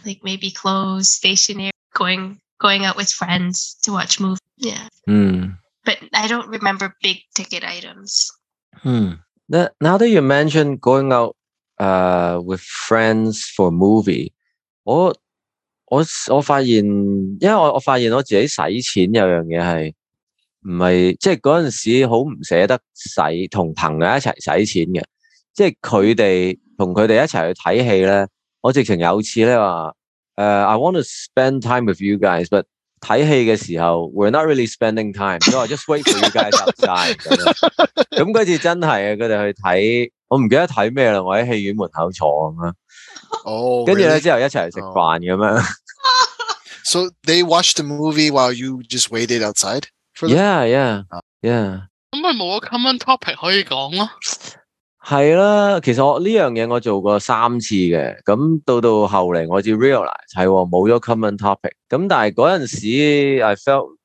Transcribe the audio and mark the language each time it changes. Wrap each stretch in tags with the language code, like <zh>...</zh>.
<en>Like maybe clothes, stationery, going out with friends to watch movies. Yeah. But I don't remember big ticket items. Now that you mentioned going out with friends for movie, what?</en> <yue>我发现，因为我发现我自己洗钱有样嘢系唔系，即系嗰阵时好唔舍得洗，同朋友一齐洗钱嘅，即系同佢哋一齐去睇戏咧。我直情有次咧话，</yue> <en>I want to spend time with you guys, but</en> <yue>睇戏嘅时候</yue> <en>，we're not really spending time, so I just wait for you guys outside 。</en> <yue>咁嗰次真系啊，佢哋去睇，我唔记得睇咩啦，我喺戏院门口坐跟住咧之后一齐食饭咁样。</yue> <en>So they watched the movie while you just waited outside for them? Yeah, yeah, yeah.</en> <yue>咁咪冇个 common topic 可以讲咯。系啦，其实我呢样嘢我做过三次嘅，咁到后嚟我至 realize 系冇咗 common topic。咁但系嗰阵时</yue> <en>I felt</en>